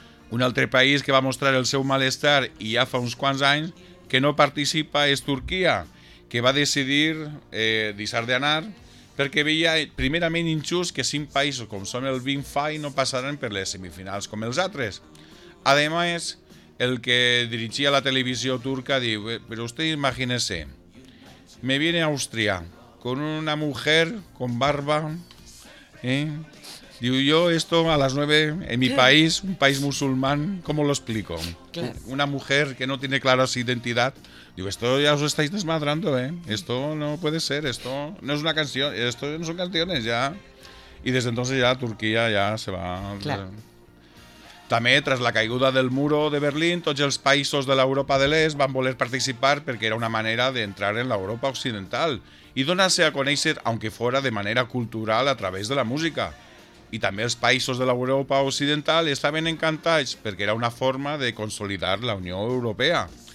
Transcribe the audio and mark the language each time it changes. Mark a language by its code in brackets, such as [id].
[ca] Un altre país que va mostrar el seu malestar i ja fa uns quants anys que no participa és Turquia, que va decidir deixar d'anar perquè veia primerament injust que 5 països com són el BIMFAI no passaran per les semifinals com els altres. A més, el que dirigia la televisió turca diu, [es] però usted imagínese, me viene a Austria con una mujer con barba, Diu, yo esto a las 9 en mi país, un país musulmán, ¿cómo lo explico? Claro. Una mujer que no tiene clara su identidad. Digo, esto ya os estáis desmadrando, Esto no puede ser, esto no es una canción, esto no son canciones ya. Y desde entonces ya Turquía ya se va. Claro. [ca] També, tras la caiguda del muro de Berlín, tots els països de l'Europa de l'Est van voler participar perquè era una manera d'entrar en l'Europa occidental i donar-se a conèixer, aunque fora de manera cultural, a través de la música. I també els països de l'Europa occidental estaven encantats perquè era una forma de consolidar la Unió Europea.